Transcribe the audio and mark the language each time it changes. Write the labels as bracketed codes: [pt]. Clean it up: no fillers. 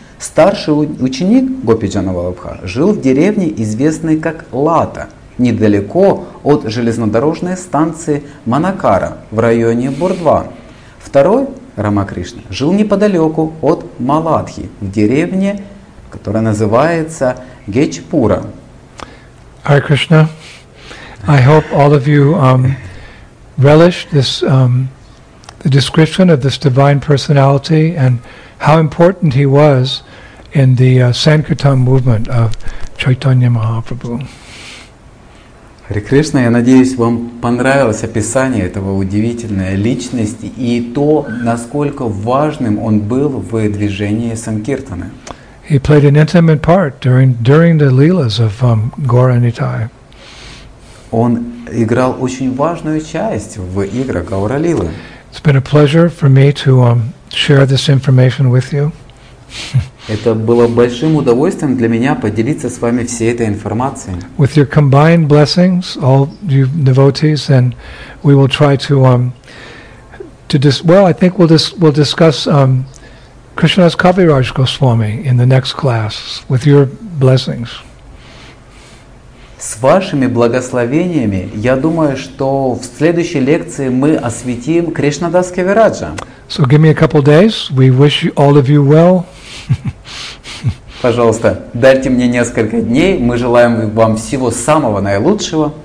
[ru] Старший ученик Гопиджана Валабха жил в деревне, известной как Лата, недалеко от железнодорожной станции Манакара в районе Бурдван. Второй, Рамакришна, жил неподалеку от Маладхи, в деревне, которая называется Гечпура. [en] Hare Krishna, I hope all of you relished this the description of this divine personality and how important he was in the Sankirtan movement of Chaitanya Mahaprabhu. [ru] Hare Krishna, я надеюсь, вам понравилось описание этого удивительной личности и то, насколько важным он был в движении Санкиртаны. [en] He played an intimate part during the leelas of Gaura Nitai. [ru] Он играл очень важную часть в играх Гаура Лилы. [en] It's been a pleasure for me to share this information with you. [ru] Это было большим удовольствием для меня поделиться с вами всей этой информацией. [en] With your combined blessings, all you devotees, and we will try to discuss Krishnadas Kaviraj Goswami in the next class with your blessings. [ru] С вашими благословениями, я думаю, что в следующей лекции мы осветим Кришнадас Кавираджа. [en] So give me a couple days. We wish all of you well. [ru] Пожалуйста, дайте мне несколько дней. Мы желаем вам всего самого наилучшего.